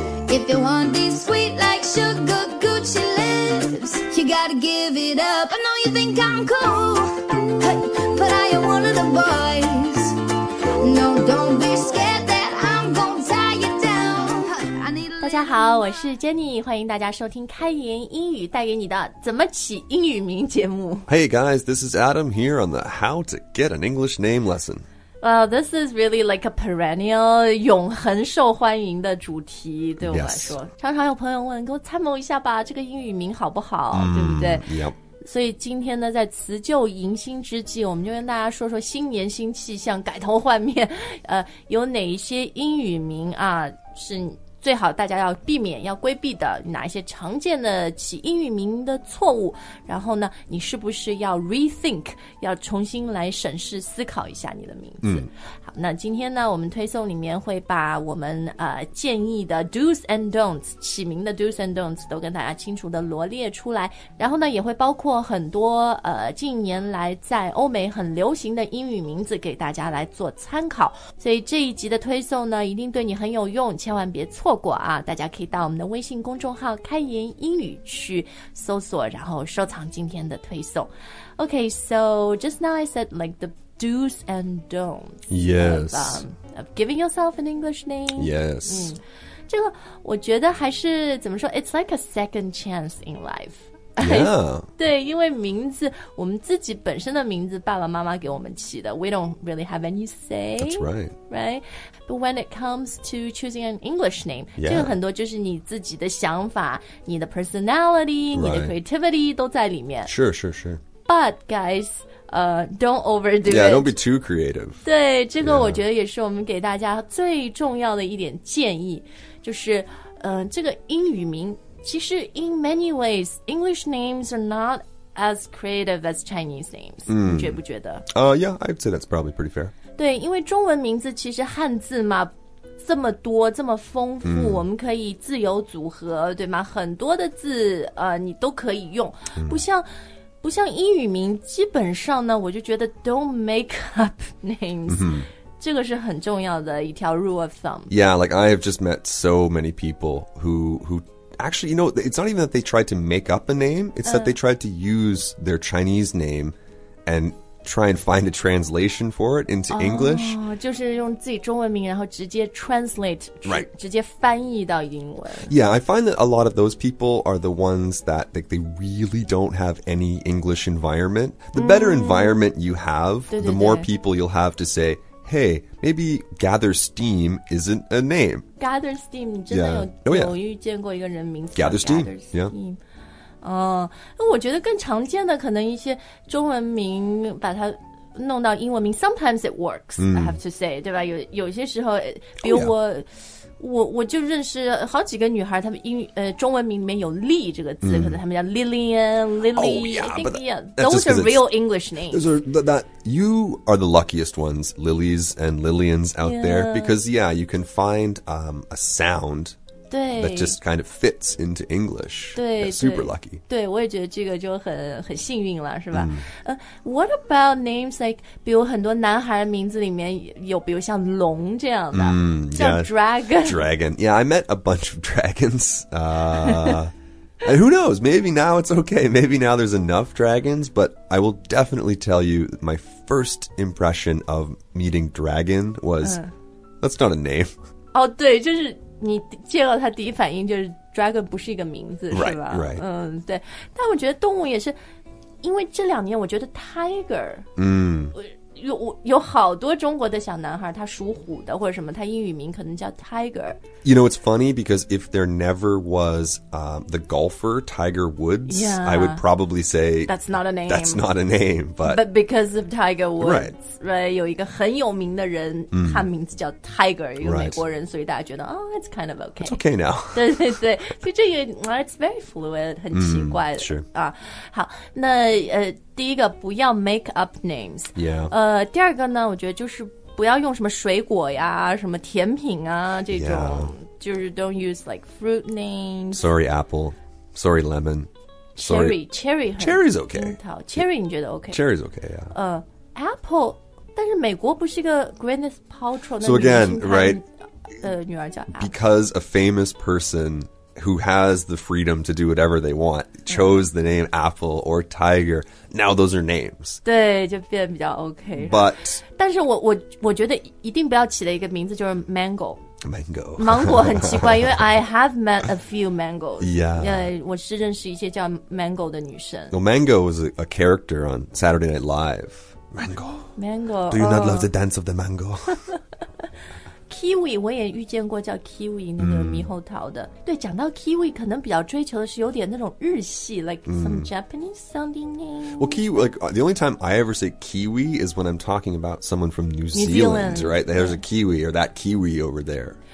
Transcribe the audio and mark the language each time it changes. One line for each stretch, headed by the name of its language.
English: If you want these sweet like sugar Gucci lips, you gotta give it up. I know you think I'm cool, but I am one of the boys. No, don't be scared that I'm gonna tie you down.
Chinese: 大家好，我是 Jenny， 欢迎大家收听开言英语带给你的怎么起英语名节目。
English: Hey guys, this is Adam here on the How to Get an English Name Lesson. Well, this is really like a perennial,
Chinese: 永恒受欢迎的主题，对我来说。
English: Yes.
Chinese: 常常有朋友问，给我参谋一下吧，这个英语名好不好，对不对？
English: Yep.
Chinese: 所以今天呢，在辞旧迎新之际，我们就跟大家说说新年新气象，改头换面，有哪一些英语名啊，是最好大家要避免要规避的，哪一些常见的起英语名的错误，然后呢你是不是要 rethink， 要重新来审视思考一下你的名字。好，那今天呢我们推送里面会把我们建议的 do's and don'ts， 起名的 do's and don'ts 都跟大家清楚的罗列出来，然后呢也会包括很多近年来在欧美很流行的英语名字给大家来做参考，所以这一集的推送呢一定对你很有用，千万别错过啊！大家可以到我们的微信公众号开言英语去搜索，然后收藏今天的推送。
English: Okay, so just now I said like the do's and don'ts. Yes. Of giving yourself an English name. Yes.
Chinese: 这个我觉得还是怎么说，
English: it's like a second chance in life. Yeah.
Chinese: 对，因为名字我们自己本身的名字爸爸妈妈给我们起的，
English: we don't really have any say. That's right. Right. But when it comes to choosing an English name, yeah.
Chinese: 这个很多就是你自己的想法，你的 personality,
English: right.
Chinese: 你的 creativity 都在里面。是是是。
English: But guys, don't overdo it. Yeah, don't be too creative.
Chinese: 对，这个我觉得也是我们给大家最重要的一点建议，就是这个英语名，其实
English: in many ways, English names are not as creative as Chinese names.
Chinese: 你觉不觉得？
English: Yeah, I'd say that's probably pretty fair.
Chinese: 对，因为中文名字其实汉字嘛，这么多，这么丰富，我们可以自由组合，对吗？很多的字，你都可以用，不像英语名，基本上呢，我就觉得
English: don't make up names，
Chinese: 这个是很重要的一条
English: rule of thumb. Yeah, like I have just met so many people who actually, you know, it's not even that they tried to make up a name, it's that they tried to use their Chinese name and... try and find a translation for it into English.
Chinese: 就是用自己中文名然后直接 translate,
English: right.
Chinese: 直接翻译到英文。
English: Yeah, I find that a lot of those people are the ones that like, they really don't have any English environment. The better environment you have, the more people you'll have to say, hey, maybe Gather Steam isn't a name.
Chinese: Gather Steam, 你真的有遇见过一个人名字
English: Gather Steam? Yeah.
Chinese: 我觉得更常见的可能一些中文名把它弄到英文名
English: Sometimes it works, I have to say,
Chinese: 对吧？有些时候比如我、
English: oh, yeah.
Chinese: 我就认识好几个女孩她们英中文名里面有 Lee 这个字、可能她们叫 Lillian, Lily,、
English: oh, yeah, I think, yeah, those are real English names. You are the luckiest ones, Lilies and Lillians out、 yeah. there, because yeah, you can find a sound.
Chinese: 对
English: that just kind of fits into English.
Chinese: 对
English: yeah, super lucky.
Chinese: 对我也觉得这个就很幸运了是吧、
English: what about names like,
Chinese: 比如很多男孩名字里面有比如像龙这样的、像 dragon.
English: Dragon. Yeah, I met a bunch of dragons. and who knows, maybe now it's okay. Maybe now there's enough dragons. But I will definitely tell you my first impression of meeting dragon was,、that's not a name.
Chinese: 哦对就是你见到他第一反应就是 dragon 不是一个名字
English: right,
Chinese: 是吧
English: right.
Chinese: 对但我觉得动物也是因为这两年我觉得 tiger、有好多中国的小男孩他属虎的或者什么他英语名可能叫 tiger
English: You know it's funny because if there never was the golfer Tiger Woods yeah, I would probably say That's not a name But because of Tiger Woods Right,
Chinese: right 有一个很有名的人、他名字叫 Tiger 一个美国人、
English: right.
Chinese: 所以大家觉得
English: Oh it's kind of okay It's okay now
Chinese: 对对对所以这个
English: It's very fluid
Chinese: 很奇怪是、好那第一个不要
English: make up names、 yeah.
Chinese: 第二个呢我觉得就是不要用什么水果呀什么甜品啊这种、
English: yeah. 就是 don't use like fruit names Sorry apple Sorry lemon Cherry Cherry's okay
Chinese: Cherry 你觉得 OK
English: Cherry's okay、yeah. Apple
Chinese: 但是美国不是一个 Gwyneth Paltrow 那女明星拍 right, 的女儿叫 Apple.
English: Because a famous person who has the freedom to do whatever they want chose the name Apple or Tiger. Now those are names.
Chinese: 对，就变比较 OK.
English: But
Chinese: 但是我觉得一定不要起的一个名字就是 Mango.
English: Mango.
Chinese: 芒果很奇怪，因为
English: I have met a few mangoes. Yeah.
Chinese: 我是认识一些叫 Mango 的女生。
English: Well, Mango was a character on Saturday Night Live. Mango. Mango. Do you not love the dance of the mango?
Chinese: Kiwi, 我也遇见过叫 Kiwi 那个猕猴桃的。对，讲到 Kiwi, 可能比较追求的是有点那种日系 ,
English: like some Japanese sounding name. Well, Kiwi, like, the only time I ever say Kiwi is when I'm talking about someone from New Zealand, right? There's a Kiwi or that Kiwi over there.